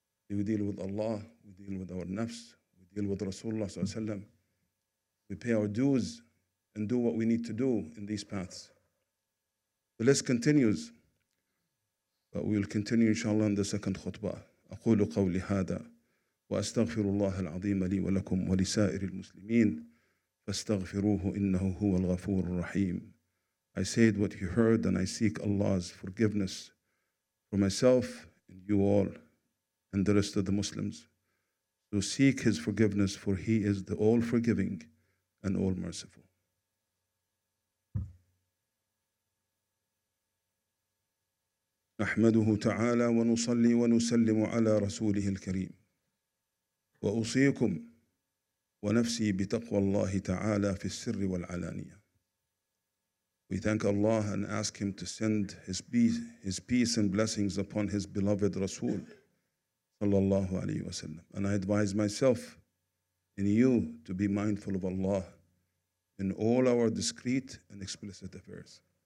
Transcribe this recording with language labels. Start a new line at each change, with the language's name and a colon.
English: We deal with Allah, we deal with our nafs, we deal with Rasulullah sallallahu alayhi wa sallam. We pay our dues and do what we need to do in these paths. The list continues, but we will continue inshallah in the second khutbah.
Arabic: أقول قولي هذا وأستغفر الله العظيم لي ولكم ولسائر المسلمين فاستغفروه إنه هو الغفور الرحيم.
English: I said what you heard and I seek Allah's forgiveness for myself and you all and the rest of the Muslims. So seek His forgiveness for He is the all-forgiving and all-merciful.
Arabic: نحمده تعالى ونصلي ونسلم على رسوله الكريم وأوصيكم ونفسي بتقوى الله تعالى في السر والعلانية.
English: We thank Allah and ask Him to send His peace and blessings upon His beloved Rasul صلى الله عليه وسلم. And I advise myself and you to be mindful of Allah in all our discreet and explicit affairs.